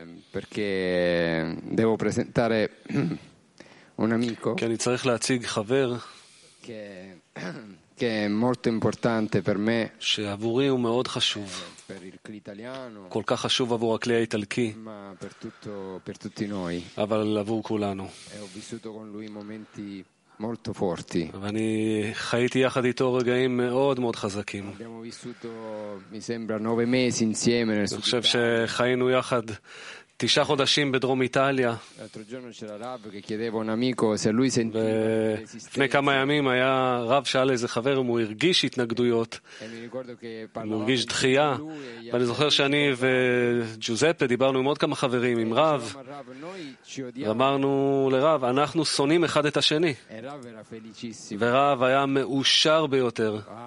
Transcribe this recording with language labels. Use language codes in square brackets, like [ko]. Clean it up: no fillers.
[it] Perché devo presentare un amico che è molto importante per me, per il cli italiano, ma per tutti noi. E ho vissuto con lui momenti molto forti. [he] ואני חייתי יחד איתו רגעים מאוד מאוד חזקים. [it] Abbiamo vissuto, mi sembra, 9 mesi insieme nel sud. [he] חשב שחיינו יחד 9 חודשים בדרום איטליה. [it] L'altro giorno c'era Rav che chiedeva un amico se lui sentiva l'esistenza. [he] לפני כמה ימים היה רב שאל איזה חבר אם הוא הרגיש התנגדויות. מרגיש דחייה. ואני זוכר שאני וג'וזפה דיברנו עם עוד כמה חברים, עם רב, ואמרנו לרב, אנחנו שונאים אחד את השני. ורב היה מאושר ביותר.